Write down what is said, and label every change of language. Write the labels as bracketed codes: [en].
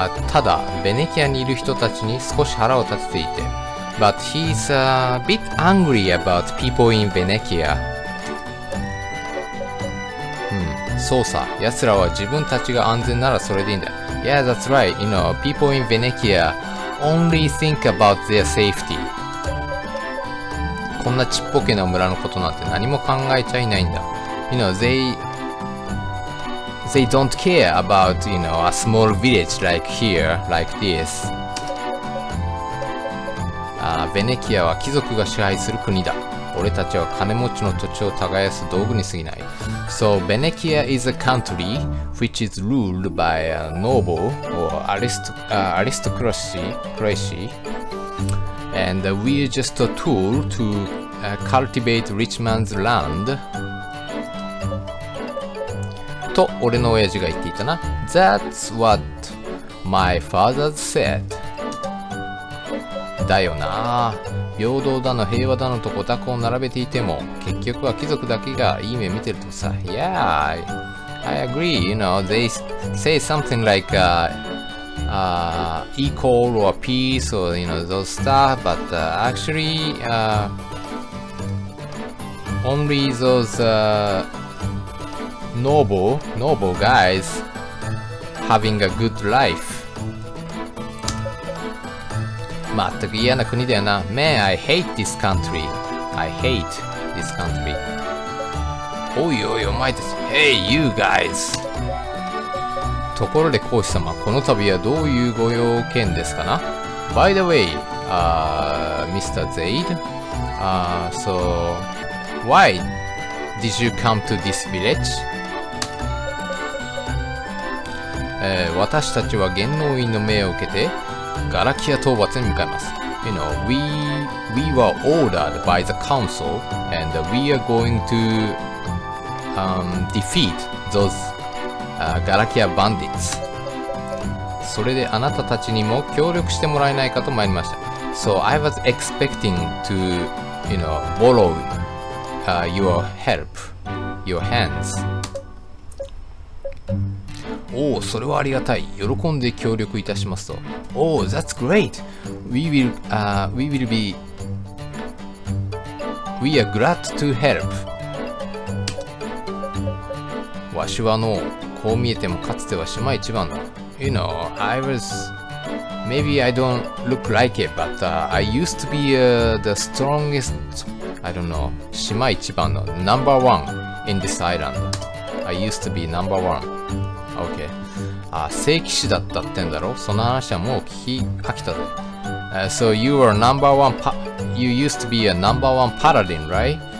[ja] ただ、ベネキアにいる人たちに少し腹を立てていて。 [en] But he's a bit angry about people in Venetia. [ja] そうさ、奴らは自分たちが安全ならそれでいいんだ。 [en] Yeah, that's right. You know, people in Venetia only think about their safety. [ja] こんなちっぽけな村のことなんて何も考えちゃいないんだ。 [en] You know, they don't care about, you know, a small village like here, like this. [ja] ヴェネキアは貴族が支配する国だ。俺たちは金持ちの土地を耕す道具に過ぎない。 [en] So, ヴェネキア is a country which is ruled by a noble or aristocracy. And we are just a tool to cultivate rich man's land. [ja] と俺の親父が言っていたな。 [en] That's what my father said. [ja] だよな。平等だの平和だのと御託を並べていても、結局は貴族だけがいい目見てるとさ。 [en] Yeah, I agree. You know, they say something like equal or peace or you know those stuff, but actually only those. Noble guys having a good life. [ja] まったく嫌な国だよな。 [en] Man, I hate this country. I hate this country. [ja] おいおいお前たち。 [en] Hey, you guys. [ja] ところで公子様、この度はどういうご用件ですかな。 [en] By the way, Mr. Zaid, so why did you come to this village? [ja] 私たちは元老院の命を受けてガラキア討伐に向かいます。 [en] You know, we were ordered by the council and we are going to defeat those ガラキアバンディッツ。 [ja] それであなたたちにも協力してもらえないかと参りました。 [en] So I was expecting to, you know, borrow your help, your hands. [ja] おお、それはありがたい。喜んで協力いたしますと。 [en] おお、that's great! We are glad to help! [ja] わしはの、こう見えてもかつては島一番だ。 [en] You know, I was Maybe I don't look like it, but、I used to be、the strongest, I don't know, [ja] 島一番の [en] number one in this island. I used to be number one. Okay. [ja] あ、聖騎士だったってんだろ？その話はもう聞き飽きたぞ。 [en] So you were number one, you used to be a number one paladin, right?